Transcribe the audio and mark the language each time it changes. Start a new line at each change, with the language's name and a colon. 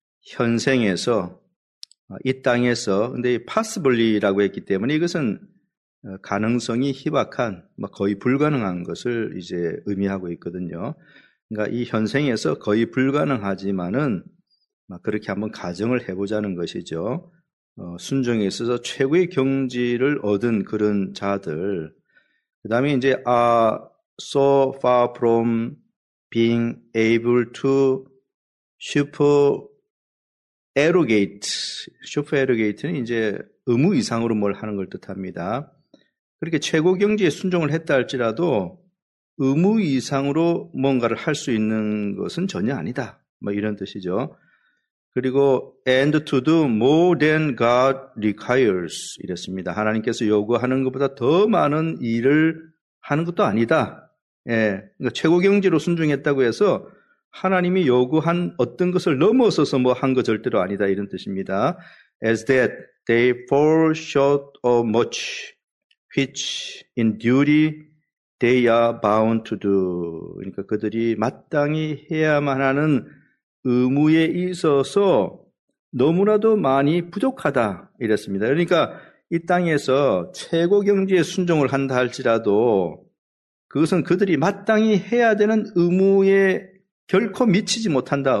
Korean: 현생에서 이 땅에서 근데 possibly라고 했기 때문에 이것은 가능성이 희박한 거의 불가능한 것을 이제 의미하고 있거든요. 그러니까 이 현생에서 거의 불가능하지만은 그렇게 한번 가정을 해보자는 것이죠. 순종에 있어서 최고의 경지를 얻은 그런 자들. 그 다음에 이제,
English: are so far from being able to supererogate.
Korean: supererogate는 이제 의무 이상으로 뭘 하는 걸 뜻합니다. 그렇게 최고 경지에 순종을 했다 할지라도 의무 이상으로 뭔가를 할 수 있는 것은 전혀 아니다. 이런 뜻이죠. 그리고
English: and to do more than God requires
Korean: 이랬습니다. 하나님께서 요구하는 것보다 더 많은 일을 하는 것도 아니다. 예, 그러니까 최고 경지로 순종했다고 해서 하나님이 요구한 어떤 것을 넘어서서 뭐 한 거 절대로 아니다 이런 뜻입니다.
English: As that they fall short of much which in duty they are bound to do.
Korean: 그러니까 그들이 마땅히 해야만 하는 의무에 있어서 너무나도 많이 부족하다 이랬습니다. 그러니까 이 땅에서 최고 경지에 순종을 한다 할지라도 그것은 그들이 마땅히 해야 되는 의무에 결코 미치지 못한다.